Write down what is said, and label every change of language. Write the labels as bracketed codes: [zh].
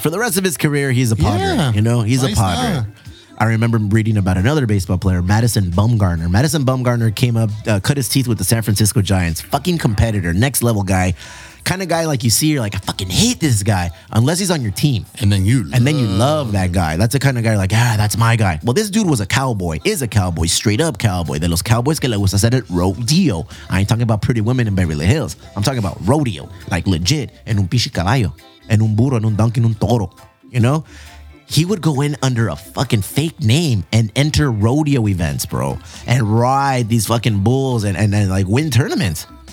[en] For the rest of his career, he's a Padre. Yeah. You know, he's nice a Padre. I remember reading about another baseball player, Madison Bumgarner. Madison Bumgarner came up, cut his teeth with the San Francisco Giants. Fucking competitor, next level guy. Kind of guy like you see, you're like, I fucking hate this guy. Unless he's on your team. And then you love that guy. That's the kind of guy like, ah, that's my guy. Well, this dude was a cowboy. Is a cowboy. Straight up cowboy. [es] De los cowboys que le gusta hacer el rodeo. [en] I ain't talking about pretty women in Beverly Hills. I'm talking about rodeo. Like legit. [es] En un pichi caballo. En un burro. En un donkey. En un toro. [en] You know? He would go in under a fucking fake name and enter rodeo events, bro, and ride these fucking bulls and like win tournaments.